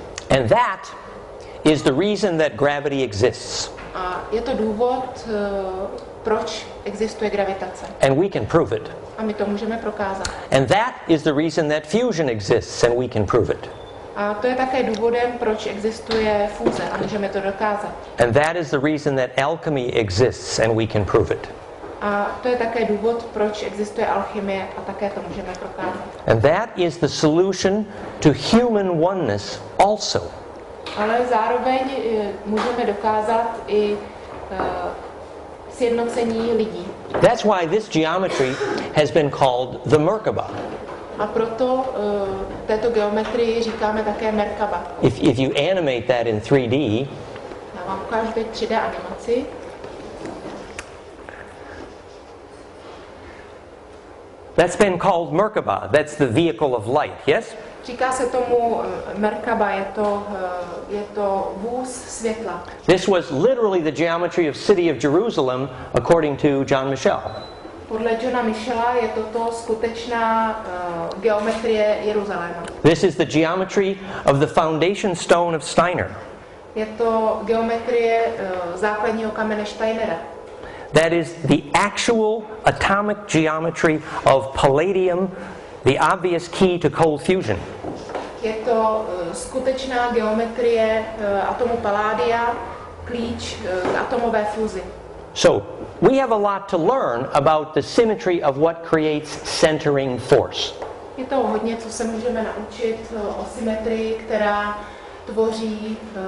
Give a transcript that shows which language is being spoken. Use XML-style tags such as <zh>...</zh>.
<en>And that is the reason that gravity exists.</en> <cs>A je to důvod, proč existuje gravitace.</cs> <en>And we can prove it.</en> <cs>A my to můžeme prokázat.</cs> <en>And that is the reason that fusion exists, and we can prove it.</en> <cs>A to je také důvodem, proč existuje fúze, a můžeme to dokázat.</cs> <en>And that is the reason that alchemy exists, and we can prove it.</en> <cs>A to je také důvod, proč existuje alchymie, a také to můžeme prokázat.</cs> <en>And that is the solution to human oneness also.</en> <cs>Ale zároveň můžeme dokázat i sjednocení lidí.</cs> <en>That's why this geometry has been called the Merkaba.</en> <cs>A proto této geometrii říkáme také Merkaba.</cs> <en>If you animate that in 3D,</en> <cs>já vám ukážu teď 3D animaci.</cs> <en>That's been called Merkaba. That's the vehicle of light, yes?</en> <cs>Říká se tomu Merkaba, je to vůz světla.</cs> <en>This was literally the geometry of city of Jerusalem, according to John Michel.</en> <cs>Podle Johna Michela je toto skutečná geometrie Jeruzaléma.</cs> <en>This is the geometry of the foundation stone of Steiner.</en> <cs>Je to geometrie základního kamene Steinera.</cs> <en>That is the actual atomic geometry of palladium, the obvious key to cold fusion.</en> <cs>Je to skutečná geometrie atomu paládia, klíč k atomové fúzi.</cs> <en>So, we have a lot to learn about the symmetry of what creates centering force.</en> <cs>Je to hodně, co se můžeme naučit o symetrii, která tvoří</cs>